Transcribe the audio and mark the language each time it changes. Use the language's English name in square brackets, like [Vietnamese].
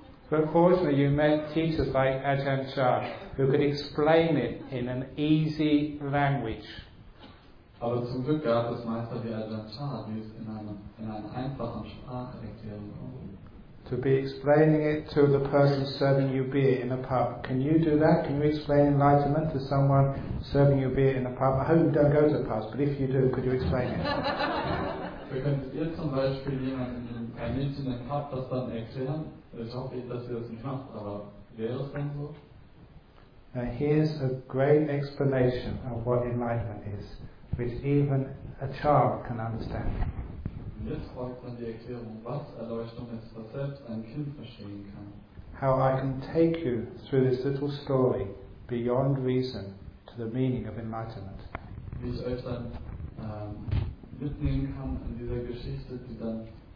[English] But fortunately you met teachers like Ajahn Chah who could explain it in an easy language. [German] Aber zum Glück gab es Meister wie Ajahn Chah, die es in einer einfachen Sprache erklären konnten. [English] To be explaining it to the person serving you beer in a pub. Can you do that? Can you explain enlightenment to someone serving you beer in a pub? I hope you don't go to the pub, but if you do, could you explain it? [German] Könntet ihr zum Beispiel ein Mädchen im Pub das dann erklären? Ich hoffe, dass ihr das nicht macht, aber wäre es dann so? [English] Now here's a great explanation of what enlightenment is, which even a child can understand. [German] Und jetzt folgt dann die Erklärung, was Erleuchtung ist, was selbst ein Kind verstehen kann. [English] How I can take you through this little story beyond reason to the meaning of enlightenment. [German] Wie ich euch dann mitnehmen kann in dieser Geschichte, die dann